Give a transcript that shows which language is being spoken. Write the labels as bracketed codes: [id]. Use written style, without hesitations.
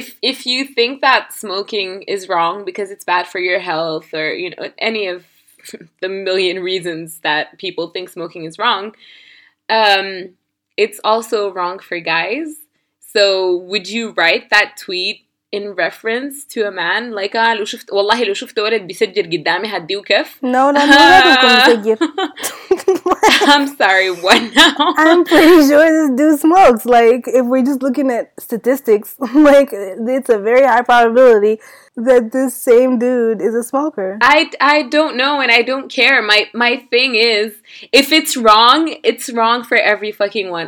[en] If you think that smoking is wrong because it's bad for your health or, you know, any of the million reasons that people think smoking is wrong, it's also wrong for guys. So would you write that tweet in reference to a man? [ar] Like, لو شفت, والله لو شفت ولد بيسجل قدامي هديه كيف. [en] No, no, no, I don't think you. I'm sorry, what now? I'm pretty sure this dude smokes. Like, if we're just looking at statistics, like, it's a very high probability that this same dude is a smoker. I don't know, and I don't care. My thing is, if it's wrong, it's wrong for every fucking one.